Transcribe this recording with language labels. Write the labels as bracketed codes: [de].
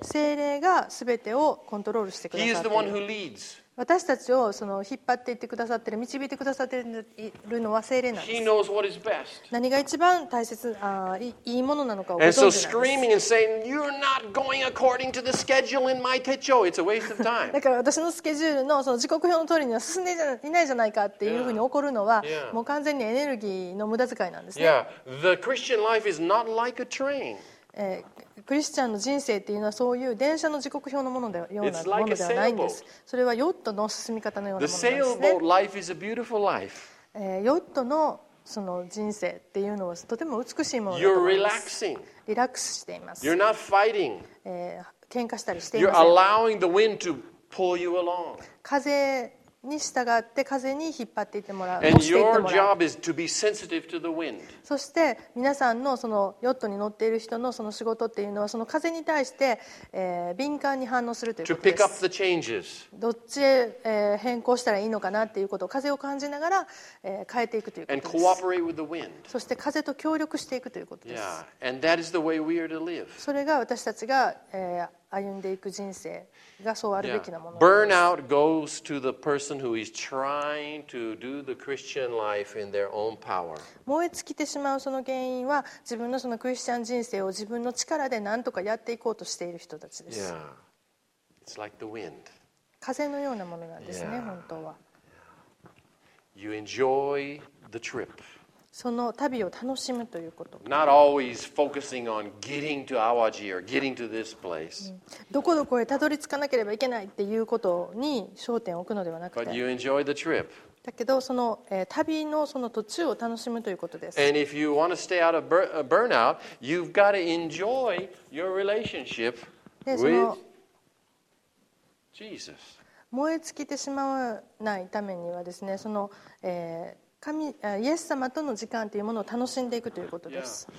[ja] 聖霊が全てをコントロールしてくださっている。 [en] He is the one who leads. [ja] 私たちをその引っ張っていってくださってる、導いてくださっているのは聖霊なんです。 [en] He knows what is best. [ja] 何が一番大切、いいものなのかをご存知なんです。 [en] And so screaming and saying, "You're not going according to the schedule in my 手帳." It's a waste of time. [ja] だから私のスケジュールのその時刻表の通りには進んでいないじゃないかっていうふうに怒るのは、もう完全にエネルギーの無駄遣いなんですね。 [en] Yeah, the Christian life is not like a train. [ja] クリスチャンの人生というのはそういう電車の時刻表のものでようなものではないんです。それはヨットの進み方のようなものなんですね。ヨットのその人生っていうのはとても美しいものだと思います。 [en] relaxing. [ja] リラックスしています。 [en] You're not fighting. [ja] 喧嘩したりしていません。 [en] You're allowing the wind to pull you along. [ja] 風に従って風に引っ張っていってもらう。 [en] And your job is to be sensitive to the wind. [ja] そして皆さん の, そのヨットに乗っている人 の, その仕事っていうのはその風に対して、敏感に反応するということです。 [en] To pick up the changes. [ja] どっちへ、変更したらいいのかなっていうことを風を感じながら、変えていくということです。 [en] And cooperate with the wind. [ja] そして風と協力していくということです。 [en] Yeah. And that is the way we are to live. [ja] それが私たちが、歩んでいく人生がそうあるべきなものです。 [en] Burnout goes to the person who is trying to do the Christian life in their own power. [ja] 燃え尽きてしまうその原因は自分のそのクリスチャン人生を自分の力で何とかやっていこうとしている人たちです。 [en] Yeah. It's like the wind. [ja] 風のようなものなんですね、yeah. 本当は。 [en] You enjoy the trip. [ja] その旅を楽しむということ。 [en] Not always focusing on getting to Awaji or getting to this place. [ja] どこどこへたどり着かなければいけないっていうことに焦点を置くのではなくて。 [en] But you enjoy the trip. [ja] だけどその旅のその途中を楽しむということです。 [en] And if you want to stay out of burnout, you've got to enjoy your relationship with Jesus. [ja] 燃え尽きてしまわないためにはですね、その。神、イエス様との時間というものを楽しんでいくということです。